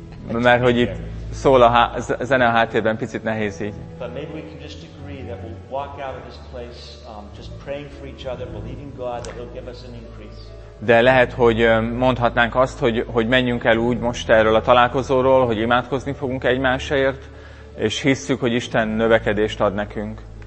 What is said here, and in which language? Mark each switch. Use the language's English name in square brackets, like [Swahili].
[Hungarian] Mert hogy itt szól a zene a háttérben, picit nehéz így. [English] But maybe we can just agree that we'll walk out of this place just praying for each other, believing God that He'll give us an increase. [Hungarian] De lehet, hogy mondhatnánk azt, hogy menjünk el úgy most erről a találkozóról, hogy imádkozni fogunk egymásért, és hisszük, hogy Isten növekedést ad nekünk.